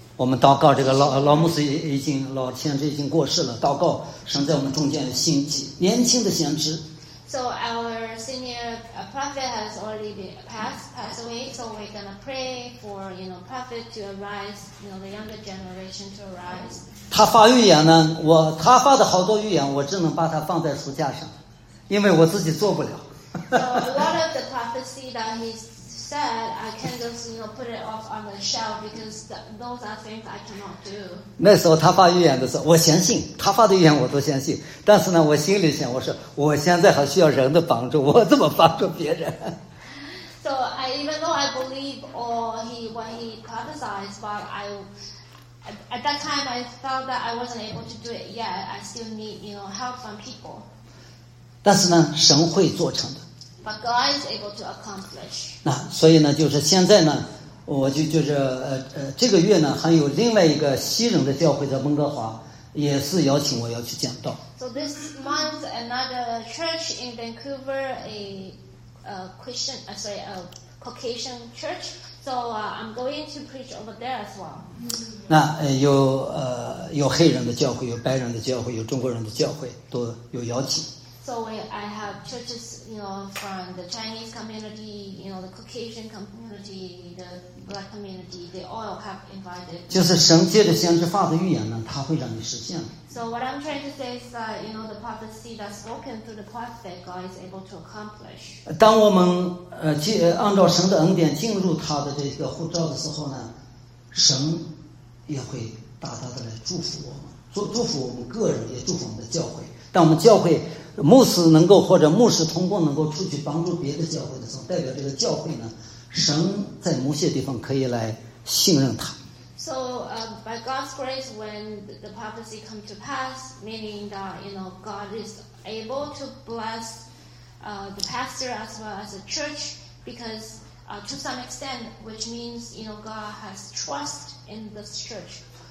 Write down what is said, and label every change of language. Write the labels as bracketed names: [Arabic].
[Chinese] 我们祷告，这个老牧师老先知已经过世了，祷告神在我们中间兴起年轻的先知。 [English] So our senior prophet has already passed away. So we're gonna pray for, you know, prophet to arise, you know, the younger generation to arise. [Chinese] 他发预言呢，他发的好多预言，我只能把它放在书架上，因为我自己做不了。 [English] So a lot of the prophecy that he said, I can't just, you know, put it off on the shelf because those are things I cannot do. [Chinese] 那时候他发预言的时候，我相信他发的预言，我都相信。但是呢，我心里想，我说我现在还需要人的帮助，我怎么帮助别人？ [English] So even though I believe when he prophesied, but at that time I felt that I wasn't able to do it yet. I still need, you know, help from people. [Chinese] 但是呢，神会做成的。 [English] But God is able to accomplish. [Chinese] 那所以呢，就是现在呢，我就是这个月呢，还有另外一个西人的教会在温哥华，也是邀请我要去讲道。 [English] So this month, another church in Vancouver, a Caucasian church. So I'm going to preach over there as well. [Chinese] 那有黑人的教会，有白人的教会，有中国人的教会，都有邀请。 [English] So I have churches, you know, from the Chinese community, you know, the Caucasian community, the Black community. They all have invited. [Chinese] 就是神借着先知发的预言呢，他会让你实现。 [English] So what I'm trying to say is that, you know, the prophecy that's spoken through the prophet, God is able to accomplish. [Chinese] 当我们按照神的恩典进入他的这个护照的时候呢，神也会大大的来祝福我们，祝福我们个人，也祝福我们的教会。当我们教会牧师能够或者牧师通过能够出去帮助别的教会的时候，代表这个教会呢，神在某些地方可以来信任他。 [English] So, by God's grace, when the prophecy come to pass, meaning that, you know, God is able to bless the pastor as well as the church, because to some extent, which means, you know, God has trust in this church.